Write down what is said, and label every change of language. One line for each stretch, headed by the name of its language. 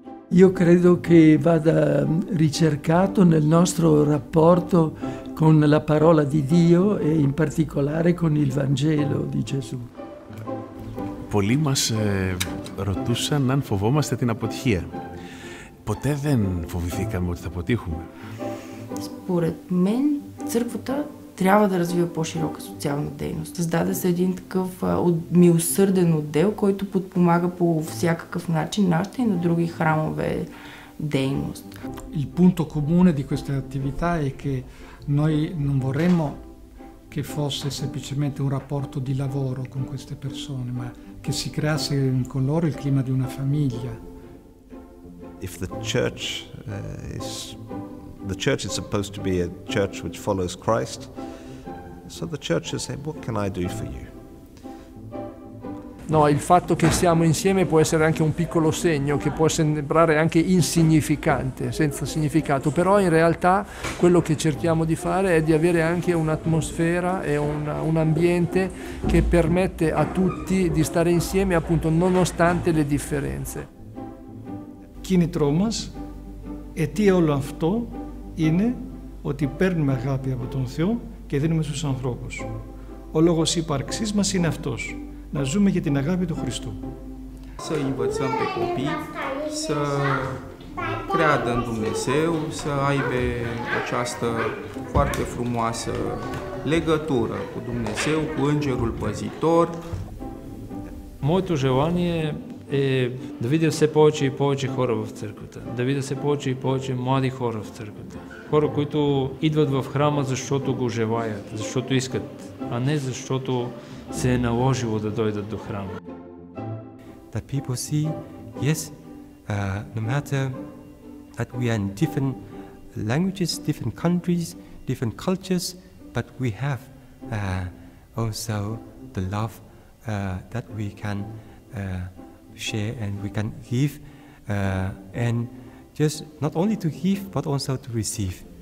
Italian: Io credo che vada ricercato nel nostro rapporto con la parola di Dio e in particolare con il Vangelo di Gesù.
Greek: Πολλοί μας ρωτούσαν αν φοβόμαστε την αποτυχία. Ποτέ δεν φοβηθήκαμε ότι θα αποτύχουμε.
Bulgarian: Според мен, църквата трябва да развива по-широка социална дейност. Създаде се един такъв милосърден отдел, който подпомага по всякакъв начин нашата и на други храмове дейност.
Italian: Il punto comune di queste attività è che noi non vorremmo che fosse semplicemente un rapporto di lavoro con queste persone, ma che si creasse con loro il clima di una famiglia.
English: If the church is the church is supposed to be a church which follows Christ, so the church is saying, what can I do for you?
Italian: No, il fatto che siamo insieme può essere anche un piccolo segno, che può sembrare anche insignificante, senza significato, però in realtà quello che cerchiamo di fare è di avere anche un'atmosfera e un ambiente che permette a tutti di stare insieme, appunto, nonostante le differenze.
Greek: Κινητρώμας, αιτία όλο αυτό είναι ότι παίρνουμε αγάπη από τον Θεό και δίνουμε στους ανθρώπους. Ο λόγος ύπαρξής μας είναι αυτός, να ζούμε για την αγάπη του Χριστού.
Romanian: Să învățăm pe copii să creadă în Dumnezeu, să aibă această foarte frumoasă legătură cu Dumnezeu, cu Îngerul Păzitor.
Bulgarian: Моето желание е да видя все повече и повече хора в църквата, да видя все повече и повече млади хора в църквата. Хора, които идват в храма, защото го желаят, защото искат, а не защото се е наложило да дойдат до храма.
English: The people see, yes, no matter that we are in different languages, different countries, different cultures, but we have also the love that we can share and we can give, and just not only to give, but also to receive.